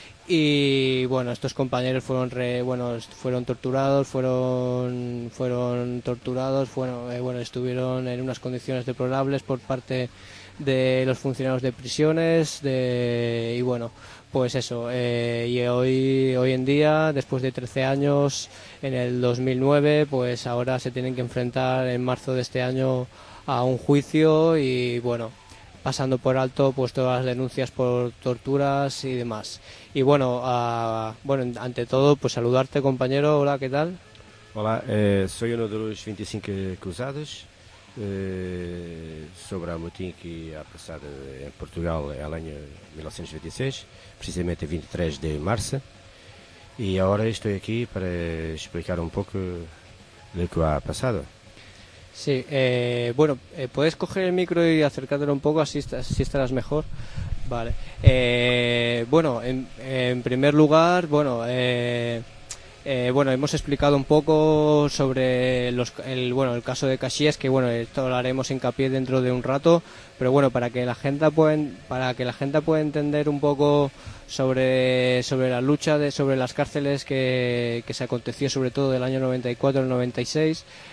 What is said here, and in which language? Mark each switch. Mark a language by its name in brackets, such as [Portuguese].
[Spanish] Y bueno, estos compañeros fueron torturados, bueno, estuvieron en unas condiciones deplorables por parte de los funcionarios de prisiones y bueno, pues eso, y hoy en día, después de 13 años, en el 2009, pues ahora se tienen que enfrentar en marzo de este año a un juicio y bueno, pasando por alto pues todas las denuncias por torturas y demás. Y bueno, bueno, ante todo, pues saludarte, compañero. Hola, ¿qué tal? [Portuguese] Olá, sou um dos 25 acusados sobre o motim que ia passar em Portugal no ano 1926, precisamente 23 de março. E agora estou aqui para explicar um pouco do que ha passado. [Spanish] Sí, bueno, puedes coger el micro y acercártelo un poco, así estarás mejor. Vale. Bueno, en primer lugar, bueno, hemos explicado un poco sobre el caso de Caxias, que bueno, esto lo haremos hincapié dentro de un rato, pero bueno, para que la gente pueda entender un poco sobre la lucha sobre las cárceles que se aconteció sobre todo del año 94 al 96,